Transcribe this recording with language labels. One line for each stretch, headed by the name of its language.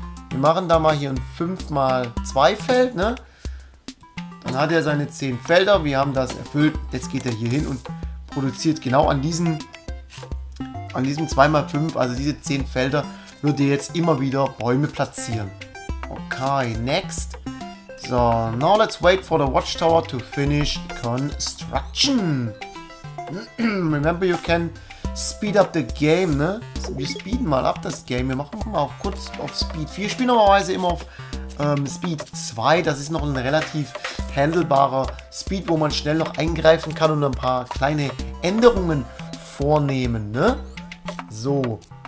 German: Wir machen da mal hier ein 5x2 Feld, ne? Dann hat er seine 10 Felder, wir haben das erfüllt, jetzt geht er hier hin und produziert genau an diesem 2x5, also diese 10 Felder, würde jetzt immer wieder Bäume platzieren. Okay, next.
English: So, now let's wait for the watchtower to finish construction. Remember, you can speed up the game, ne?
German: Wir speeden mal ab das Game. Wir machen mal auch kurz auf Speed 4. Wir spielen normalerweise immer auf Speed 2. Das ist noch ein relativ handelbarer Speed, wo man schnell noch eingreifen kann und ein paar kleine Änderungen vornehmen, ne? So.